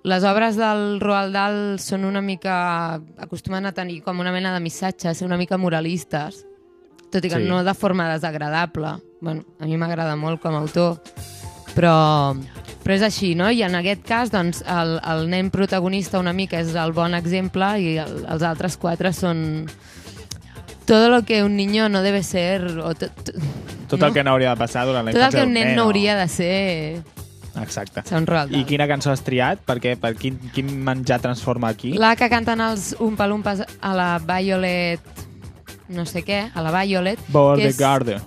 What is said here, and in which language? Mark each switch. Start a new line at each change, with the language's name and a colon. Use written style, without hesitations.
Catalan: Les obres del Roald Dahl són una mica... acostumen a tenir com una mena de missatge, a ser una mica moralistes. Tot i que sí. No de forma desagradable. Bueno, a mi m'agrada molt com a autor. Però és així, no? I en aquest cas, doncs, el nen protagonista una mica és el bon exemple i els altres quatre són...
Spanish: Todo lo que un niño no debe ser...
Catalan: Tot el que no hauria de passar durant l'infància. Tot el que un nen no hauria de ser... Exacte. Són Roald Dahl. I quina cançó has triat? Per quin menjar transforma aquí? La que canten els Oompa Loompas a la Violet... No sé què, a la Violet. Beauregarde.